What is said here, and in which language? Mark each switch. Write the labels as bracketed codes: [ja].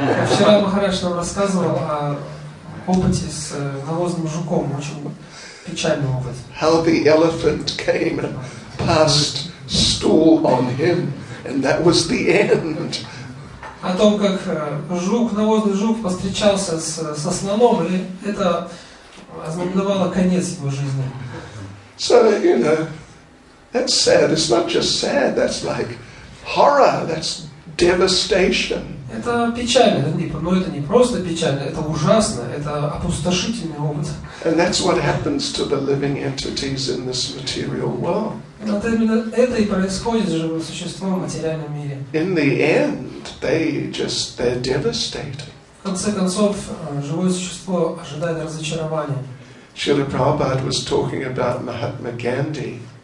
[ru] Вчера Махарадж нам рассказывал о опыте с навозным жуком, очень печальный опыт. [en] How the elephant came and passed stool on him, and that was the end. [ru] О том, как жук, навозный жук, повстречался со слоном, и это ознаменовало конец его жизни. [en] So, you know, that's sad. It's not just sad. That's like horror. That's devastation. [ru] Это печально, но это не просто печально. Это ужасно. Это опустошительный опыт. [en] And that's what happens to the living entities in this material world. [ru] Вот именно это и происходит с живым существом в материальном мире. [en] In the end, they're devastating. [ru] В конце концов, живое существо ожидает разочарования. [en] Srila Prabhupada was talking about Mahatma Gandhi.